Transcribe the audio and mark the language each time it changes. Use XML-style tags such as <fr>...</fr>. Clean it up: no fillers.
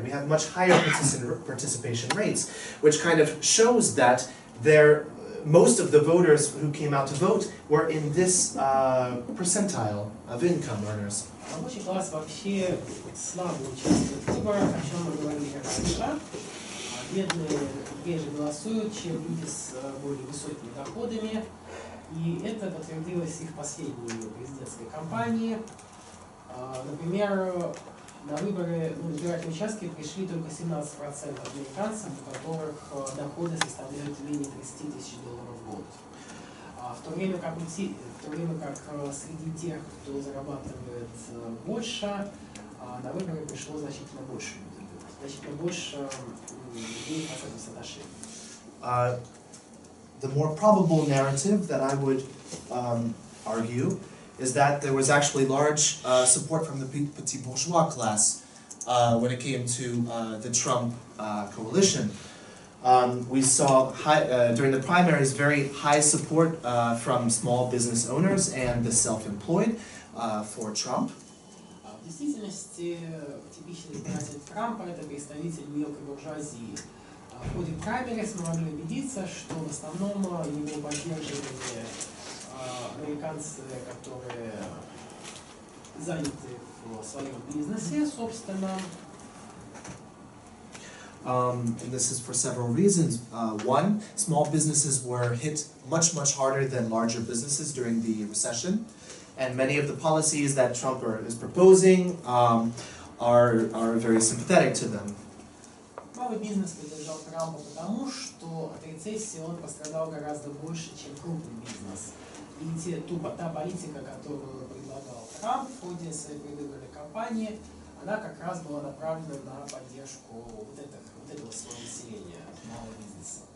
<en>We have much higher participation rates, which kind of shows that there most of the voters who came out to vote were in this percentile of income earners.</en> <ru>Рабочий класс вообще слабо участвует в выборах, о чем мы говорили раньше. Бедные реже голосуют, чем люди с более высокими доходами. И это подтвердилось их последней президентской кампании. Например, на выборы избирательные участки пришли только 17% американцев, у которых доходы составляют менее 30 тысяч долларов в год. В то время как среди тех, кто зарабатывает больше, на выборы пришло значительно больше людей по этому соотношению.</ru> <en>The more probable narrative that I would argue is that there was actually large support from the petit bourgeois class when it came to the Trump coalition. We saw during the primaries very high support from small business owners and the self-employed for Trump.</en> <ru>В действительности, типичный избиратель Трампа – это представитель мелкой буржуазии. В ходе праймерис мы могли убедиться, что в основном его поддерживали американцы, которые заняты в своем бизнесе, собственно.</ru> <en>And this is for several reasons. One, small businesses were hit much, much harder than larger businesses during the recession. And many of the policies that Trump is proposing are very sympathetic to them.</en> <ru>Малый бизнес поддержал Трампа потому, что от рецессии он пострадал гораздо больше, чем крупный бизнес. И та политика, которую предлагал Трамп в ходе своей предвыборной кампании, она как раз была направлена на поддержку вот этого своего населения, малого бизнеса.</ru>